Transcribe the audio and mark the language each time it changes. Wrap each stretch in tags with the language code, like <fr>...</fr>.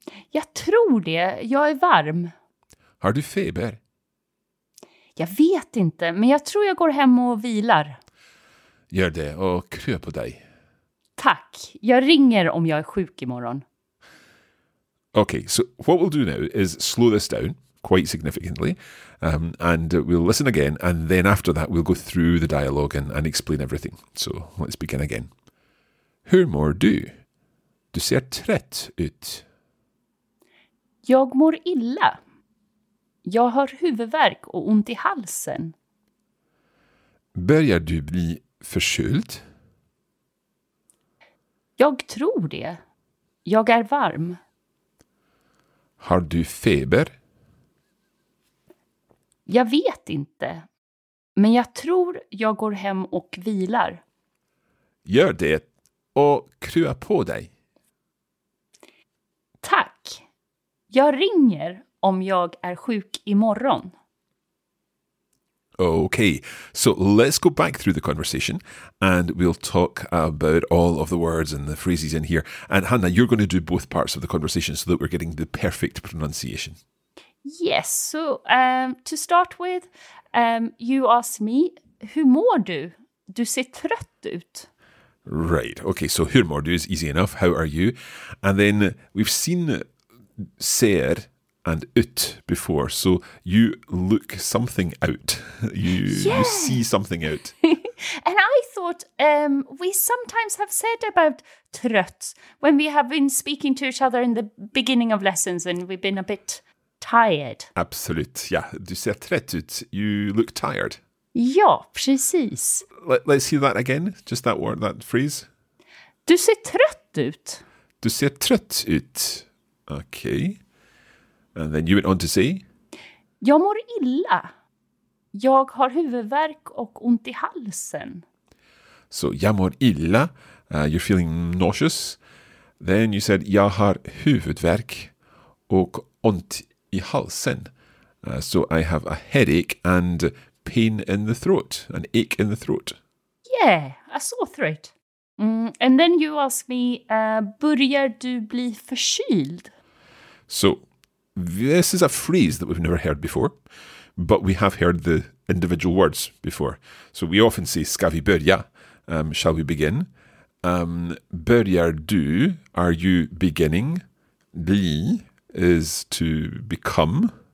<sv>Jag tror det. Jag är varm. Har du feber? Jag vet inte, men jag tror jag går hem och vilar. Gör det och krya på dig. Tack. Jag ringer om jag är sjuk imorgon.</sv> <en>Okay, so what we'll do now is slow this down. Quite significantly, and we'll listen again, and then after that we'll go through the dialogue and explain everything. So let's begin again.</en> <sv>Hur mår du? Du ser trött ut. Jag mår illa. Jag har huvudvärk och ont i halsen. Börjar du bli förkyld? Jag tror det. Jag är varm. Har du feber? Jag vet inte, men jag tror jag går hem och vilar. Gör det och krya på dig. Tack. Jag ringer om jag är sjuk imorgon.</sv> <en>Okay, so let's go back through the conversation and we'll talk about all of the words and the phrases in here. And Hannah, you're going to do both parts of the conversation so that we're getting the perfect pronunciation. Yes, so to start with, you asked me,</en> <sv>hur mår du? Du ser trött ut.</sv> <en>Right, okay, so</en> <sv>hur mår du</sv> <en>is easy enough, how are you? And then we've seen ser and ut before, so you look something out, you see something out. And I thought we sometimes have said about trött when we have been speaking to each other in the beginning of lessons and we've been a bit... tired.</en> <sv>Absolut, ja. Du ser trött ut.</sv> <en>You look tired.</en> <sv>Ja, precis.</sv> <en>Let's hear that again. Just that word, that phrase.</en> <sv>Du ser trött ut. Du ser trött ut. Okay.</sv> <en>And then you went on to say.</en> <sv>Jag mår illa. Jag har huvudvärk och ont i halsen. So, jag mår illa.</sv> <en>You're feeling nauseous. Then you said,</en> <sv>jag har huvudvärk och ont i halsen.</sv> <en>So, I have a headache and pain in the throat, an ache in the throat. Yeah, a sore throat. And then you ask me,</en> <sv>börjar du bli förkyld?</sv> <en>So, this is a phrase that we've never heard before, but we have heard the individual words before. So we often say,</en> <sv>ska vi börja?</sv> <en>Shall we begin?</en> <sv>Börjar du,</sv> <en>are you beginning? Bli is to become.</en>